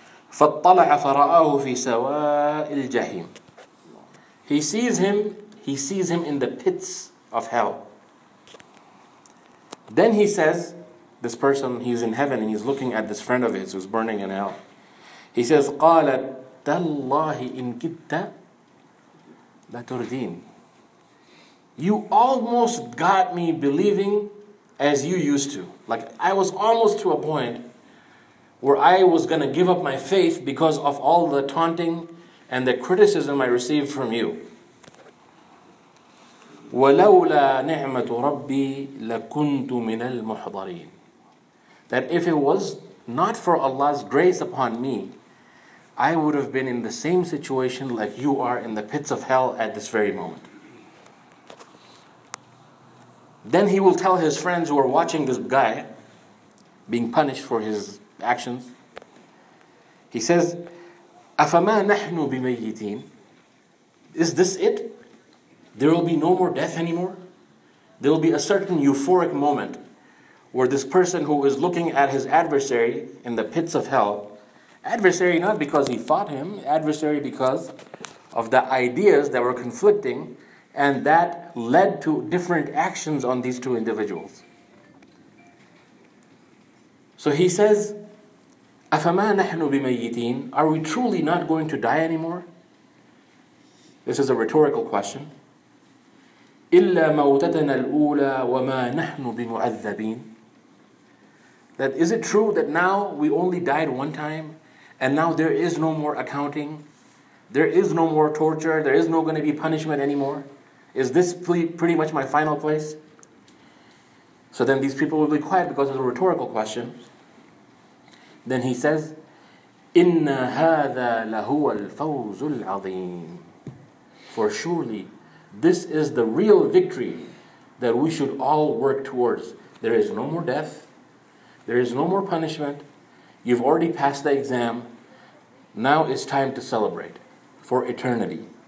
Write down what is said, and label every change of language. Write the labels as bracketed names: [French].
[Arabic] فَاطَّلَعَ فَرَآهُ فِي سَوَاءِ الْجَحِيمِ. [English] He sees him in the pits of hell. Then he says, this person, he's in heaven and he's looking at this friend of his who's burning in hell. He says, [Arabic] قَالَ تَاللَّهِ إِن كِدَّ لَتُرْدِينَ. [English] You almost got me believing as you used to. Like, I was almost to a point where I was going to give up my faith because of all the taunting and the criticism I received from you. [Arabic] وَلَوْلَا نِعْمَةُ رَبِّي لَكُنْتُ مِنَ الْمُحْضَرِينَ. [English] That if it was not for Allah's grace upon me, I would have been in the same situation like you are in the pits of hell at this very moment. Then he will tell his friends who are watching this guy being punished for his actions. He says, [Arabic] أَفَمَا نَحْنُ بِمَيِّتِينَ. [English] Is this it? There will be no more death anymore? There will be a certain euphoric moment where this person who is looking at his adversary in the pits of hell, adversary not because he fought him, adversary because of the ideas that were conflicting and that led to different actions on these two individuals. So he says, [Arabic] أفما نحن بميتين؟ [English] Are we truly not going to die anymore? This is a rhetorical question. [Arabic] إلا موتتنا الأولى وما نحن بمعذبين. [English] That is it true that now we only died one time and now there is no more accounting? There is no more torture? There is no going to be punishment anymore? Is this pretty much my final place? So then these people will be quiet because it's a rhetorical question. Then he says, [Arabic] إِنَّ هَذَا لَهُوَ الْفَوْزُ الْعَظِيمُ. [English] For surely, this is the real victory that we should all work towards. There is no more death. There is no more punishment. You've already passed the exam. Now it's time to celebrate for eternity.